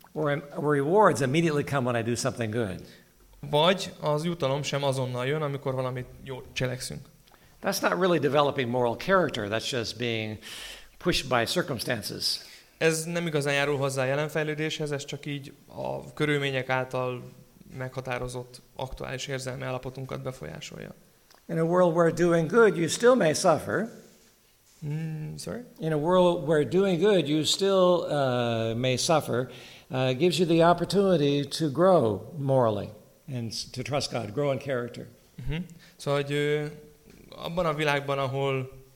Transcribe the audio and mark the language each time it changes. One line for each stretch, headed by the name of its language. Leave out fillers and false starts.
English: Or rewards immediately come when I do something good.
Hungarian: Vagy az jutalom sem azonnal jön, amikor valamit jól cselekszünk.
English: That's not really developing moral character, that's just being pushed by circumstances.
Hungarian: Ez nem igazán járul hozzá a jelenfejlődéshez, ez csak így a körülmények által meghatározott aktuális érzelmi állapotunkat befolyásolja.
English: In a world where doing good you still may suffer. Sorry? In a world where doing good you still may suffer, gives you the opportunity to grow morally and to trust God, grow in character. Mm-hmm.
Hungarian: Szóval, hogy abban a világban, ahol